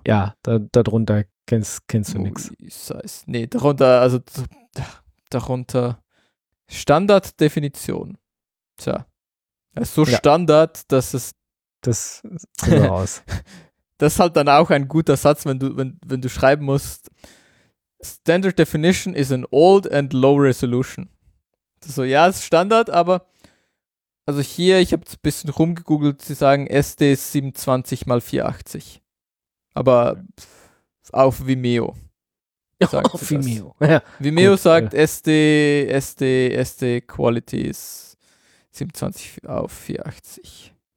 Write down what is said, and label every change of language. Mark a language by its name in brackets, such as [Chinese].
[German] Ja, darunter kennst du nichts. Nee, darunter, also darunter Standarddefinition. Tja. Ist so Standard, dass es. Das sieht so aus. Das ist halt dann auch ein guter Satz, wenn du schreiben musst. [English] Standard Definition is an old and low resolution. [German] Das ist so, ja, ist Standard, aber. Also hier, ich habe ein bisschen rumgegoogelt, sie sagen SD ist 27x480. Aber auf Vimeo. Sagt auf Vimeo. Ja. Vimeo gut, sagt ja. SD Quality ist 27x480.